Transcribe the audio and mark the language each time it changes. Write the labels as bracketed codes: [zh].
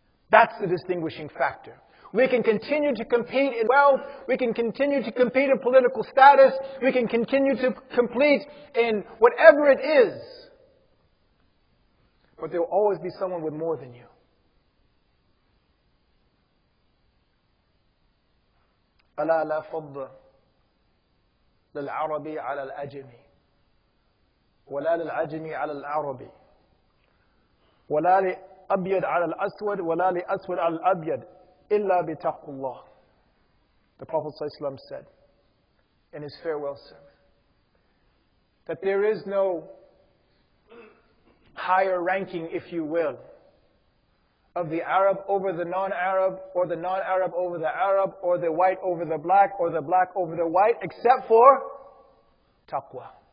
[en] That's the distinguishing factor. We can continue to compete in wealth, we can continue to compete in political status, we can continue to compete in whatever it is. but there will always be someone with more than you. [ar] ألا لا فضل للعربي على الأجمي ولا للعجمي على العربي ولا لأبيض على الأسود ولا لأسود على الأبيض إلا بتقوى الله. [en] The Prophet ﷺ said in his farewell sermon that there is no higher ranking, if you will, of the Arab over the non-Arab, or the non-Arab over the Arab, or the white over the black, or the black over the white, except for taqwa.